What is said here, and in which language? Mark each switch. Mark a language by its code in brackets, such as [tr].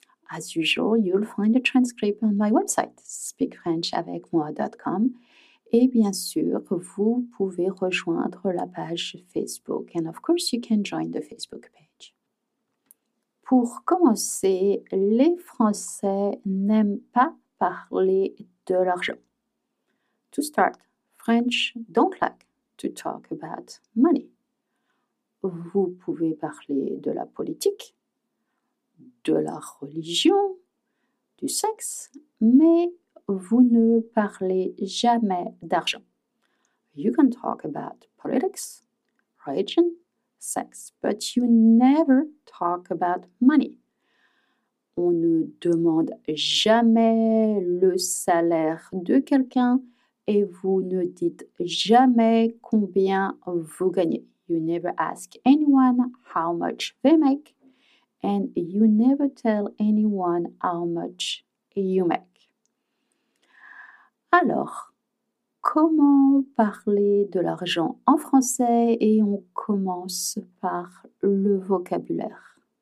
[en] As usual, you'll find a transcript on my website, speakfrenchavecmoi.com. [fr] Et bien sûr, vous pouvez rejoindre la page Facebook. [en] And of course, you can join the Facebook page. [fr] Pour commencer, les Français n'aiment pas parler de l'argent. [en] To start, French don't like to talk about money. [fr] Vous pouvez parler de la politique, de la religion, du sexe, mais vous ne parlez jamais d'argent. [en] You can talk about politics, religion, sex, but you never talk about money. [fr] On ne demande jamais le salaire de quelqu'un et vous ne dites jamais combien vous gagnez. [en] You never ask anyone how much they make. And you never tell anyone how much you make. [fr] Alors, comment parler de l'argent en français? Et on commence par le vocabulaire.